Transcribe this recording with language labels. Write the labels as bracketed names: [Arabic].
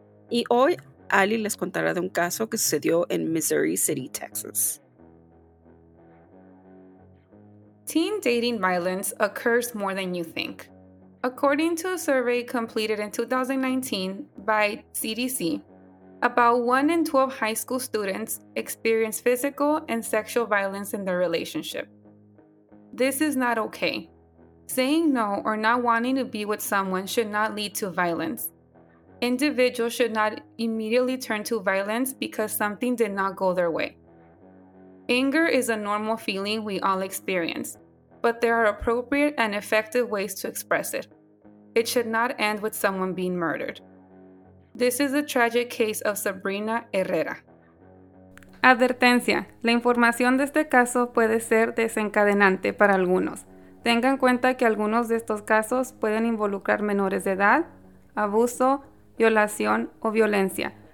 [Spanish] Y hoy Ali les contará de un caso que sucedió en Missouri City, Texas. [English] Teen dating violence occurs more than you think. According to a survey completed in 2019 by CDC, about 1 in 12 high school students experience physical and sexual violence in their relationship. This is not okay. Saying no or not wanting to be with someone should not lead to violence. Individuals should not immediately turn to violence because something did not go their way. Anger is a normal feeling we all experience, but there are appropriate and effective ways to express it. It should not end with someone being murdered. This is the tragic case of Sabrina Herrera. [Spanish] Advertencia: la información de este caso puede ser desencadenante para algunos. Tenga en cuenta que algunos de estos casos pueden involucrar menores de edad, abuso, violación o violencia.